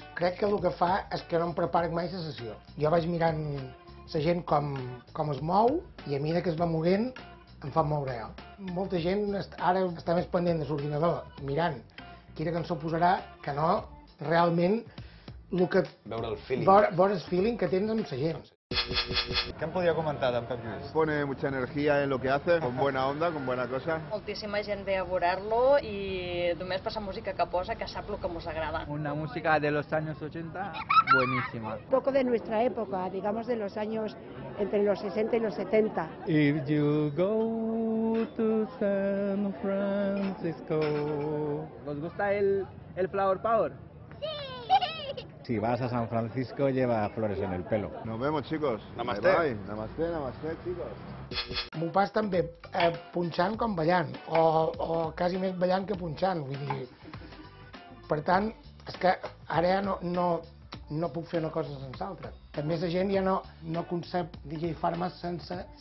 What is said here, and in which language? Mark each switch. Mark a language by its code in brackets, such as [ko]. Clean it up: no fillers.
[ca] Crec que el que fa és que no em preparec mai la sessió. Jo vaig mirant la gent com es mou i a mesura que es va movent em fa moure jo. Molta gent ara està més pendent de l'ordinador, mirant quina cançó posarà, que no realment el que... Veure el feeling. Veure el feeling que tens amb la gent. [es] ¿Qué han podido comentar de Pep Lluís? Pone mucha energía en lo que hace, con buena onda, con buena cosa. [ca] Moltíssima gent ve a veure-lo i només per la música que posa, que sap el que ens agrada. [es] Una música de los años 80, buenísima. Un poco de nuestra época, digamos de los años entre los 60 y los 70. [en] If you go to San Francisco... [es] ¿Os gusta el Flower Power? Si vas a San Francisco, lleva flores en el pelo. Nos vemos, chicos. Namasté. Namasté, namasté, chicos. [ca] M'ho pas tan bé punxant com ballant, o quasi més ballant que punxant, vull dir... Per tant, és que ara ja no puc fer una cosa sense altra. També la gent ja no concep DJ Pharma sense